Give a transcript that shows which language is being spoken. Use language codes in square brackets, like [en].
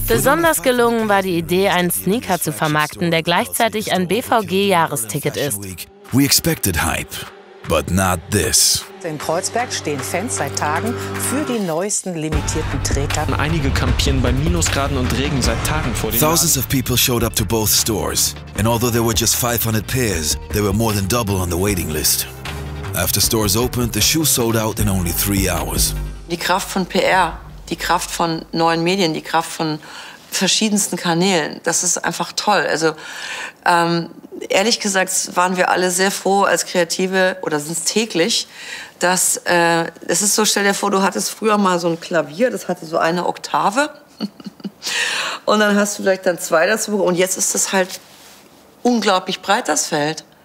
[de] Besonders gelungen war die Idee, einen Sneaker zu vermarkten, der gleichzeitig ein BVG-Jahresticket ist. [en] We expected hype, but not this. [de] In Kreuzberg stehen Fans seit Tagen für die neuesten limitierten Träger. Einige kampieren bei Minusgraden und Regen seit Tagen vor den [en] Thousands of people showed up to both stores. And although there were just 500 pairs, they were more than double on the waiting list. After stores opened, the shoe sold out in only 3 hours. [de] Die Kraft von PR, die Kraft von neuen Medien, die Kraft von verschiedensten Kanälen, das ist einfach toll. Also ehrlich gesagt waren wir alle sehr froh als Kreative oder sind es täglich, dass es ist so, stell dir vor, du hattest früher mal so ein Klavier, das hatte so eine Oktave und dann hast du vielleicht dann zwei dazu und jetzt ist das halt unglaublich breit, das Feld.